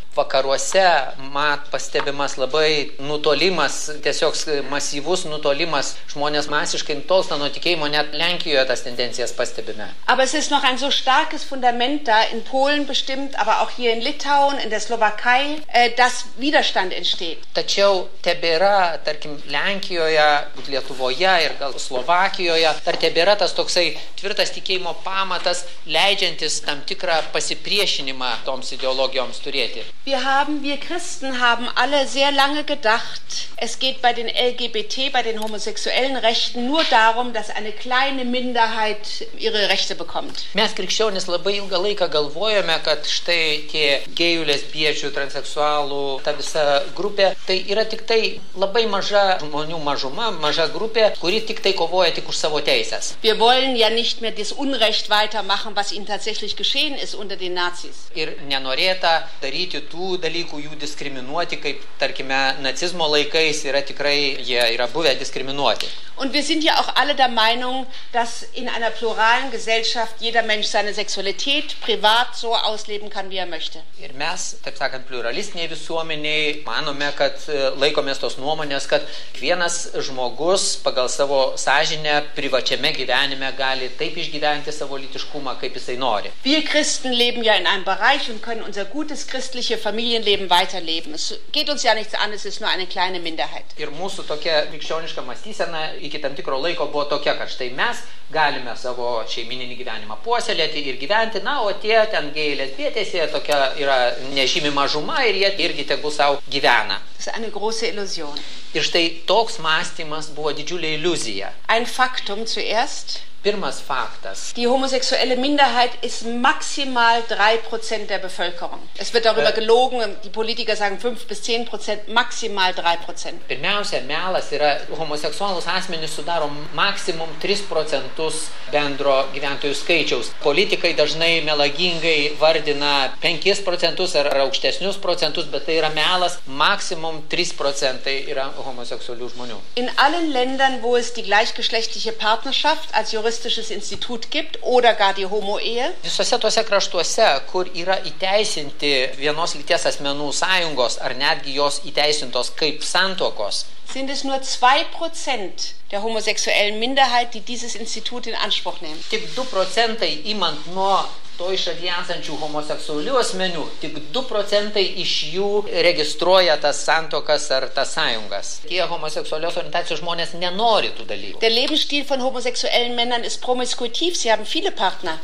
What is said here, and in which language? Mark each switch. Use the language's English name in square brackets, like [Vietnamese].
[Lithuanian] Vakaruose mat pastebimas labai nutolimas, tiesiog masyvus nutolimas, žmonės masiškai nutolsta nuo tikėjimo, net Lenkijoje tas tendencijas pastebime. [German] Aber es ist noch ein so starkes Fundament da in Polen bestimmt, aber auch hier in Litauen, in der Slowakei, dass Widerstand entsteht. [Lithuanian] Tačiau tebėra, tarkim, Lenkijoje, Lietuvoje ir gal Slovakijoje, dar tebėra tas toksai tvirtas tikėjimo pamatas, leidžiantis tam tikrą pasipriešinimą toms ideologijoms turėti. [German] Wir Christen haben alle sehr lange gedacht, es geht bei den LGBT, bei den homosexuellen Rechten nur darum, dass eine kleine Minderheit ihre Rechte bekommt. [Lithuanian] Mes krikščionis labai ilgą laiką galvojome, kad štai tie gejų, lesbiečių, transseksualų, ta visa grupė, tai yra tik tai labai maža žmonių mažuma, maža grupė, kuri tik tai kovoja tik už savo teises. [German] Wir wollen ja nicht mehr das Unrecht weitermachen, was ihnen tatsächlich geschehen ist unter den Nazis. [Lithuanian] Ir nenorėta daryti tų dalykų, jų diskriminuoti, kaip tarkime nacizmo laikais yra tikrai, jie yra buvę diskriminuoti. [German] Und wir sind ja auch alle der Meinung, dass in einer pluralen Gesellschaft jeder Mensch seine Sexualität privat so ausleben kann, wie er möchte. [Lithuanian] Ir mes, taip sakant, pluralistiniai visuomeniai, manome, kad laikomės tos nuomonės, kad kiekvienas žmogus pagal savo sąžinę privačiame gyvenime gali taip išgyventi savo lytiškumą, kaip jisai nori. [German] Wir Christen leben ja in einem Bereich und können unser gutes christliche Familienleben weiterleben. Es geht uns ja nichts an, es ist nur eine kleine Minderheit. [Lithuanian] Ir mūsų tokia krikščioniška mąstysena iki tam tikro laiko buvo tokia, kad štai mes galime savo šeimininį gyvenimą puoselėti ir gyventi, na, o tie ten gėjai lesbietėse tokia yra nežymi mažuma ir jie irgi tegu savo gyvena. [German] Das ist eine große Illusion. [Lithuanian] Ir štai toks mąstymas buvo didžiulė iliuzija. [German] Ein Faktum zuerst. [Lithuanian] Pirmas faktas. [German] Die homosexuelle Minderheit ist maximal 3% der Bevölkerung. Es wird darüber gelogen, die Politiker sagen 5-10%, maximal 3%. [Lithuanian] Pirmiausia, melas yra, homoseksualus asmenys sudaro maksimum 3% bendro gyventojų skaičiaus. Politikai dažnai melagingai vardina 5% ar aukštesnius procentus, bet tai yra melas, maksimum 3% yra homoseksualių žmonių. [German] In allen Ländern, wo es die gleichgeschlechtliche Partnerschaft als juristische juristisches Institut gibt oder gar die Homo-Ehe. [Lithuanian] Visuose tuose kraštuose, kur yra įteisinti vienos lyties asmenų sąjungos ar netgi jos įteisintos kaip santuokos. [German] Sind es nur 2% der homosexuellen Minderheit, die dieses Institut in Anspruch nehmen. [Lithuanian] Tik 2% imant nuo to iš šalyje esančių homoseksualių asmenių, tik 2% iš jų registruoja tas santokas ar tas sąjungas. Tie homoseksualios orientacijos žmonės nenori tų dalykų. [German] Der Lebensstil von homosexuellen Männern ist promiskuitiv, sie haben viele Partner.